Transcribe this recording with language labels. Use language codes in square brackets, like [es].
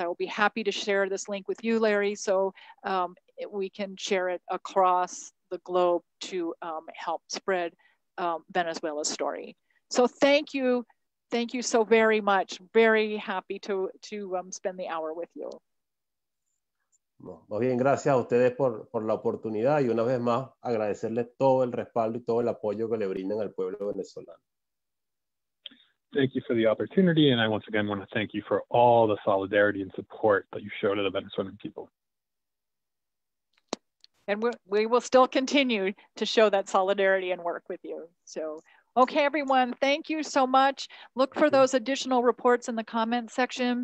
[en] I will be happy to share this link with you, Larry, so we can share it across the globe to help spread Venezuela's story. So thank you. Thank you so very much. Very happy to spend the hour with you. [es] Más bien, gracias a ustedes por la oportunidad y una vez más agradecerles todo el respaldo y todo el apoyo que le brindan al pueblo venezolano. [en] Thank you for the opportunity and I once again want to thank you for all the solidarity and support that you show to the Venezuelan people. And we will still continue to show that solidarity and work with you. So, okay, everyone, thank you so much. Look for those additional reports in the comments section.